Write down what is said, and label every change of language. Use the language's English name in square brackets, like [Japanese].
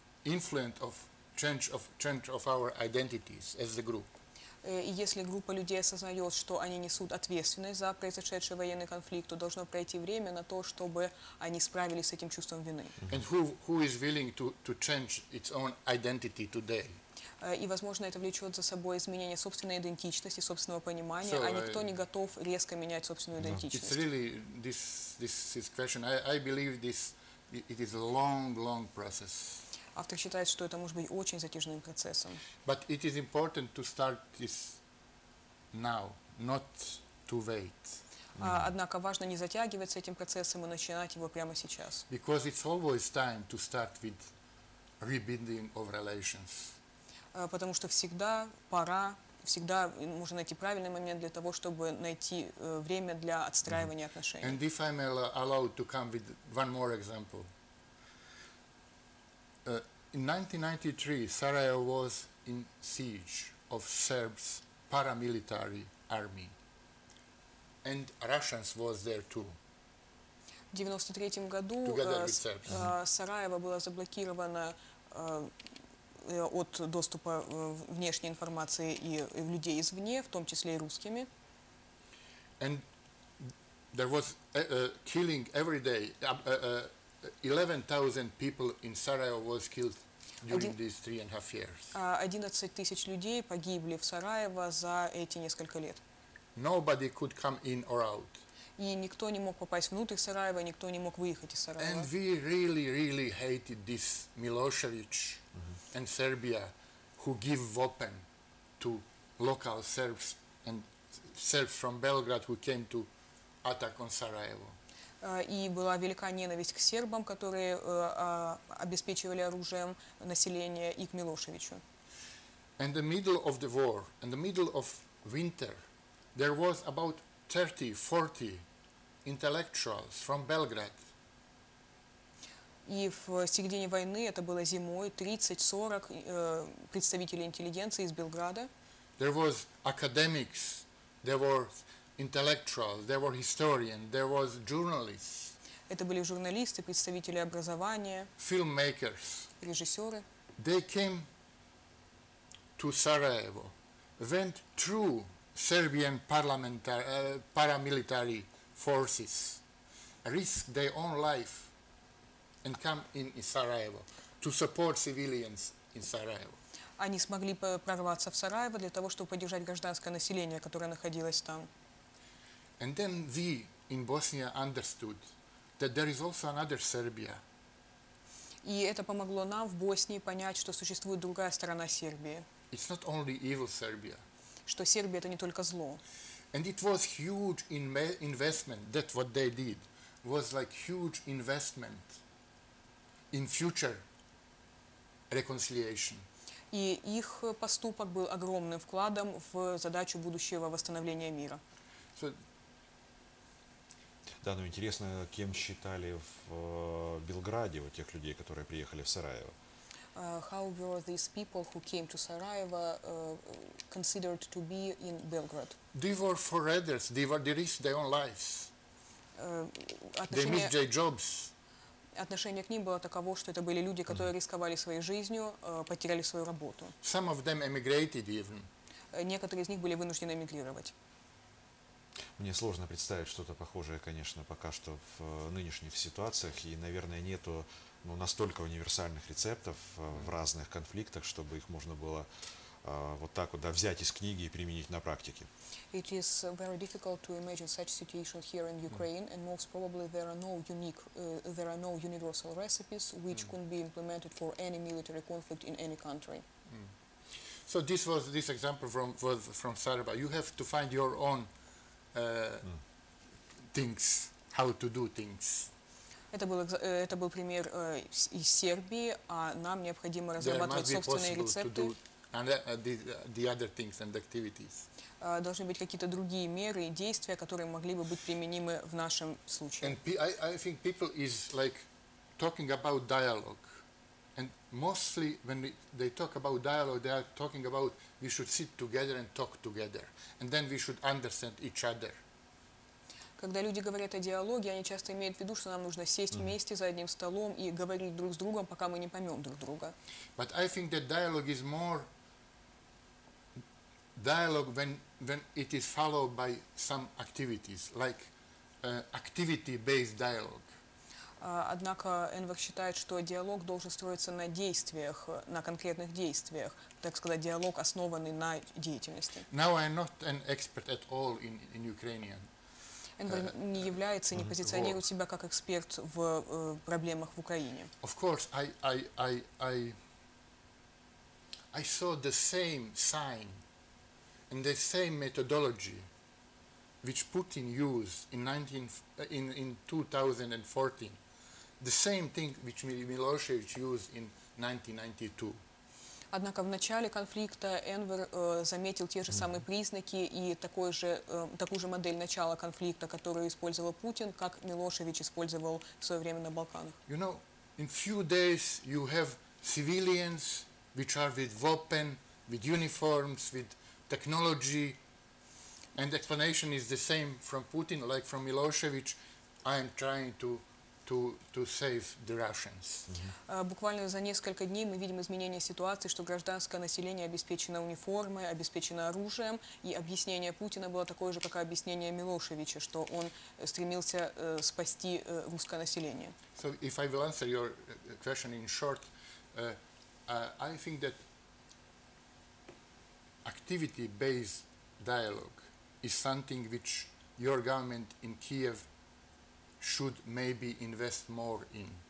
[English] influence of change of our identities as a group. [Russian] Если группа людей осознает, что они несут ответственность за произошедший военный конфликт, то должно пройти время на то, чтобы они справились с этим чувством вины. [English] And who is willing to change its own identity today? [Russian] И, возможно, это влечет за собой изменение собственной идентичности, собственного понимания, so, а никто не готов резко менять собственную идентичность. [English] It's really this question. I believe this it is a long process. [Russian] Автор считает, что это может быть очень затяжным процессом. [English] But it is important to start this now, not to wait. [Russian] Однако важно не затягивать с этим процессом и начинать его прямо сейчас. [English] Because it's always time to start with rebuilding of relations. [Russian] Потому что всегда пора, всегда можно найти правильный момент для того, чтобы найти время для отстраивания отношений. [English] And if I'm allowed to come with one more example. In 1993, Sarajevo was in siege of Serbs paramilitary army, and Russians was there too. [Russian] В 93-м году Сараево было заблокировано от доступа внешней информации и людей извне, в том числе и русскими. [English] And there was killing every day. 11,000 people in Sarajevo was killed during these 3.5 years. [Russian] 11,000 людей погибли в Сараево за эти несколько лет. [English] Nobody could come in or out. [Russian] И никто не мог попасть внутрь Сараева, никто не мог выехать из Сараева. [English] And we really, really hated this Milosevic and Serbia, who give weapon to local Serbs and Serbs from Belgrade who came to attack on Sarajevo. [Russian] И была велика ненависть к сербам, которые обеспечивали оружием население, и к Милошевичу. [English] In the middle of the war, in the middle of winter, there was about 30-40 intellectuals from Belgrade. [Russian] И в середине войны, это было зимой, 30-40 представителей интеллигенции из Белграда. [English] There was academics, there were intellectuals, there were historians, there was journalists. [Russian] Это были журналисты, представители образования. [English] Filmmakers. [Russian] Режиссеры. [English] They came to Sarajevo, went through Serbian paramilitary forces, risked their own life, and come in Sarajevo to support civilians in Sarajevo. [Russian] Они смогли прорваться в Сараево для того, чтобы поддержать гражданское население, которое находилось там. [English] And then we in Bosnia understood that there is also another Serbia. [Russian] И это помогло нам в Боснии понять, что существует другая сторона Сербии. [English] It's not only evil Serbia. [Russian] Что Сербия — это не только зло. [English] And it was huge investment that what they did was like huge investment in future reconciliation. [Russian] И их поступок был огромным вкладом в задачу будущего восстановления мира. Да, ну интересно, кем считали в Белграде вот тех людей, которые приехали в Сараево? [English] How were these people who came to Sarajevo considered to be in Belgrade? They were foreigners. They risked their own lives. They missed their jobs. [Russian] Отношение к ним было таково, что это были люди, которые рисковали своей жизнью, потеряли свою работу. [English] Some of them emigrated even. [Russian] Некоторые из них были вынуждены эмигрировать. Мне сложно представить что-то похожее, конечно, пока что в нынешних ситуациях, и, наверное, нету настолько универсальных рецептов в разных конфликтах, чтобы их можно было вот так вот взять из книги и применить на практике. [English] It is very difficult to imagine such situation here in Ukraine, and most probably there are no universal recipes which could be implemented for any military conflict in any country. So this was this example from Sarajevo. You have to find your own things, how to do things. [Russian] Это был пример из Сербии, а нам необходимо разрабатывать собственные рецепты. [English] And the other things and activities. [Russian] Должны быть какие-то другие меры и действия, которые могли бы быть применимы в нашем случае. [English] And I think people is like talking about dialogue, and mostly when they talk about dialogue, they are talking about we should sit together and talk together, and then we should understand each other. [Russian] Когда люди говорят о диалоге, они часто имеют в виду, что нам нужно сесть вместе за одним столом и говорить друг с другом, пока мы не поймем друг друга. [English] But I think that dialogue is more dialogue when it is followed by some activities, like activity-based dialogue. [Russian] Однако Энвер считает, что диалог должен строиться на действиях, на конкретных действиях, так сказать, диалог, основанный на деятельности. [English] Now I'm not an expert at all in Ukrainian. [Russian] Энвер не является, не позиционирует себя как эксперт в проблемах в Украине. [English] Of course, I saw the same sign and the same methodology which Putin used in 2014. The same thing which Milosevic used in 1992. [Russian] Однако в начале конфликта Энвер заметил те же самые признаки и такую же модель начала конфликта, которую использовал Путин, как Милошевич использовал в свое время на Балканах. [English] You know, in few days you have civilians which are with weapon, with uniforms, with technology, and the explanation is the same from Putin, like from Milosevic. I am trying to save the Russians. [Russian] Буквально за несколько дней мы видим изменение ситуации, что гражданское население обеспечено униформой, обеспечено оружием, и объяснение Путина было такое же, как и объяснение Милошевича, что он стремился спасти русское население. [English] So if I will answer your question in short, I think that activity-based dialogue is something which your government in Kiev should maybe invest more in.